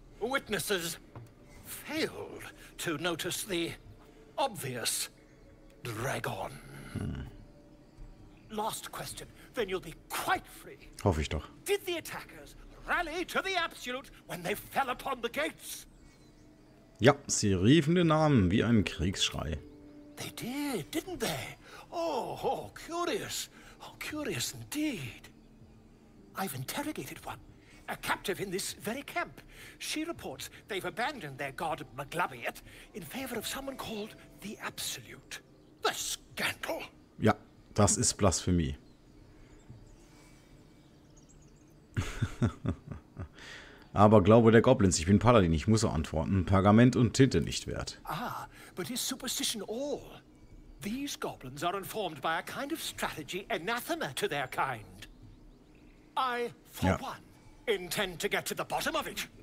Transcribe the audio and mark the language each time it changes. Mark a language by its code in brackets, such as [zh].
[en] Witnesses failed to notice the obvious dragon. Last question, then you'll be quite free. [de] Hoffe ich doch. [en] Did the attackers rally to the absolute when they fell upon the gates? [de] Ja, sie riefen den Namen wie ein Kriegsschrei. [en] They did, didn't they? Oh, oh, curious. Oh, curious indeed. I've interrogated one. A captive in this very camp. She reports they've abandoned their god Maglabiet in favor of someone called the Absolute. The scandal! [de] Ja, das ist Blasphemie. Aber glaube der Goblins, ich bin Paladin, ich muss so antworten. Pergament und Tinte nicht wert. [en] Ah, but is superstition all? These goblins are informed by a kind of strategy anathema to their kind. I, for one, intend to get to the bottom of it.